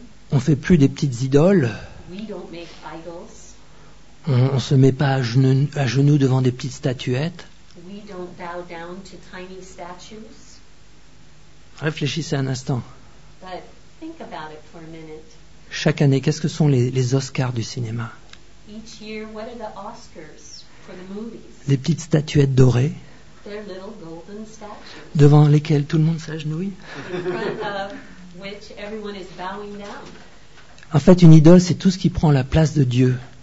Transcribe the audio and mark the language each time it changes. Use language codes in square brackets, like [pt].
[fr] On ne fait plus des petites idoles. [en] We don't make idols. [fr] On ne se met pas à genoux devant des petites statuettes. [en] We don't bow down to tiny statues. [fr] Réfléchissez un instant. [en] But think about it for a minute. [fr] Chaque année, qu'est-ce que sont les Oscars du cinéma? [en] Each year, what are the Oscars for the movies? [fr] Les petites statuettes dorées. [en] They're little golden statues. [fr] Devant lesquelles tout le monde s'agenouille. [en] In front of which everyone is bowing down. [fr] En fait, une idole, c'est tout ce qui prend la place de Dieu.